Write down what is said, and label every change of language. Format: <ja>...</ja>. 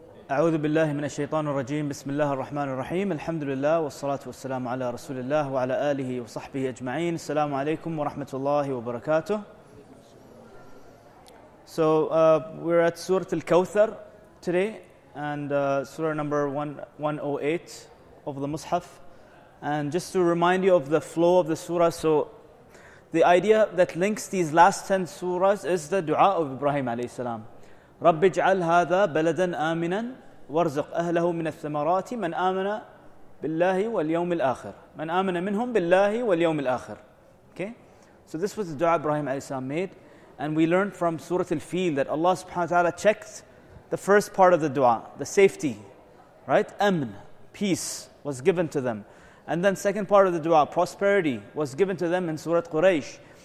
<ar>أعوذ بالله من الشيطان الرجيم بسم الله الرحمن الرحيم الحمد لله والصلاة والسلام على رسول الله وعلى آله وصحبه أجمعين السلام عليكم ورحمة الله وبركاته.</ar> <en>So we're at سورة الكوثر today and Surah number 108 of the Mus'haf. And just to remind you of the flow of the surah, so the idea that links these last 10 surahs is the dua of Ibrahim alayhi salam.</en> <ar>رب اجعل هذا بلدا آمنا وارزق أهله من الثمرات من آمن بالله واليوم الآخر من آمن منهم بالله واليوم الآخر.</ar> <en>Okay, so this was the dua Ibrahim alayhi salam made, and we learned from Surah Al-Fil that Allah subhanahu wa ta'ala checked the first part of the dua, the safety, right? Amn, peace was given to them. And then second part of the dua, prosperity, was given to them in Surah Quraysh.</en>